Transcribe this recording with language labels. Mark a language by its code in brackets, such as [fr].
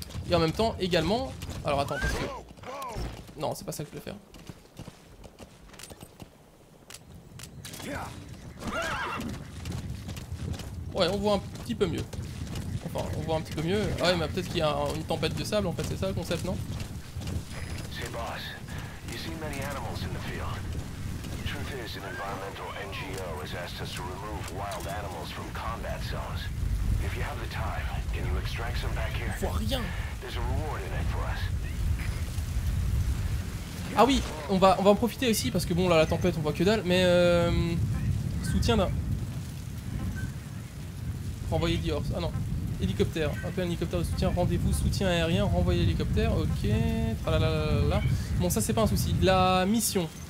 [fr] Et en même temps, également... Alors attends, parce que... Non, c'est pas ça que je voulais faire. Ouais, on voit un petit peu mieux. Enfin, on voit un petit peu mieux. Ah ouais, mais peut-être qu'il y a une tempête de sable, en fait, c'est ça le concept, non? [en] Hey boss, you see many animals in the field. Truth is, an environmental NGO has asked us to remove wild animals from combat zones. If you have the time, can you extract some back here? [fr] On voit rien. [en] There's a reward in it for us. [fr] Ah oui, on va en profiter aussi parce que bon là la tempête on voit que dalle, mais soutien d'un. Renvoyer The Horse. Ah non. Hélicoptère. Appel hélicoptère de soutien. Rendez-vous, soutien aérien, renvoyer hélicoptère, ok. Tralalala. Bon ça c'est pas un souci. La mission.